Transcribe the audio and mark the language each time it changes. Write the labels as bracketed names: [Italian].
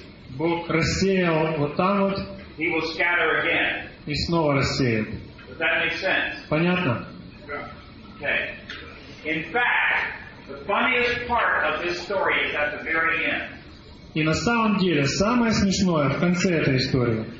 [Russian] Бог рассеял вот там вот и снова рассеет. Понятно? [English] Okay. In fact, the funniest part of this story is at the very end. [Russian] И на самом деле самое смешное в конце этой истории.